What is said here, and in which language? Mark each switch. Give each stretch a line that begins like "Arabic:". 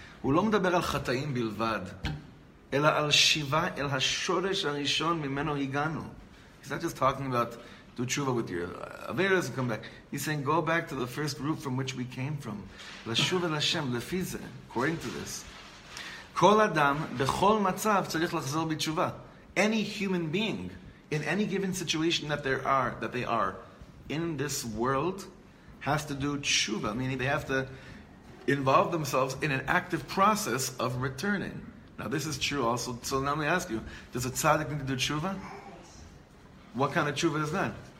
Hebrew: הוא לא מדבר על חטאים בלבד, אלא על שיבה אל השורש הראשון ממנו הגענו.
English: He's not just talking about do tshuva with your avodas and come back. He's saying go back to the first root from which we came from.
Hebrew: לשוב אל השם, לפי זה,
English: according to this.
Hebrew: כל אדם בכל מצב צריך לחזור בתשובה.
English: Any human being in any given situation that they are in this world has to do tshuva, meaning they have to involve themselves in an active process of returning. Now this is true also. So now let me ask you, does a tzaddik need to do tshuva? What kind of tshuva is that?